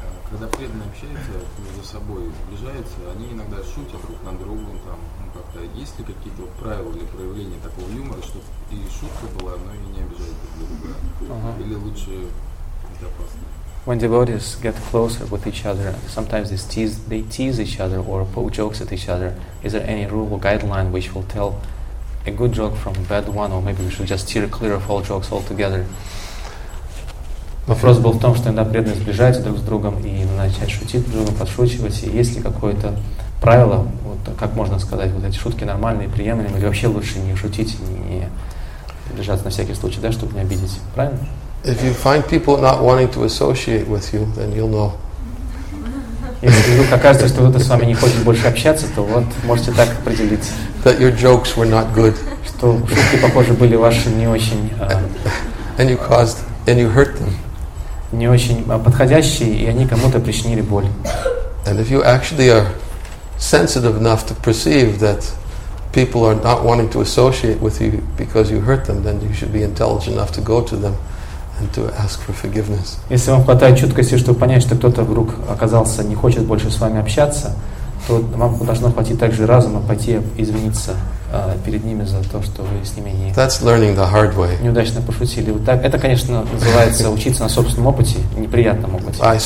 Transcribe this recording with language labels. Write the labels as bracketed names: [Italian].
[Russian] Когда преданные общаются между собой, сближаются, они иногда шутят друг на другом, там, ну как-то есть ли какие-то правила для проявления такого юмора, чтобы и шутка была, но и не обижают друг друга? Uh-huh. Или лучше это опасно? [English] When devotees get closer with each other, sometimes they tease each other or poke jokes at each other. Is there any rule or guideline which will tell a good joke from a bad one, or maybe we should just steer clear of all jokes altogether? [Russian] Вопрос был в том, что иногда преданные сближаются друг с другом и начинают шутить друг с другом, подшучивать. И есть ли какое-то правило, вот как можно сказать, вот эти шутки нормальные, приемлемые, или вообще лучше не шутить, не сближаться на всякий случай, да, чтобы не обидеть, правильно? [English] If you find people not wanting to associate with you, then you'll know. [Russian] Если вдруг окажется, что кто-то с вами не хочет больше общаться, то вот можете так определить. [English] That your jokes were not good. [Russian] Что шутки, похоже, были ваши не очень. [English] And you hurt them. [Russian] Не очень подходящие, и они кому-то причинили боль. [English] And if you actually are sensitive enough to perceive that people are not wanting to associate with you because you hurt them, then you should be intelligent enough to go to them. And to ask for forgiveness. [Russian] Если вам хватает чуткости, чтобы понять, что кто-то вдруг оказался не хочет больше с вами общаться, то вам должно хватить также разума пойти извиниться перед ними за то, что вы с ними неудачно пошутили. Вот так, это, конечно, называется учиться на собственном опыте, неприятном опыте.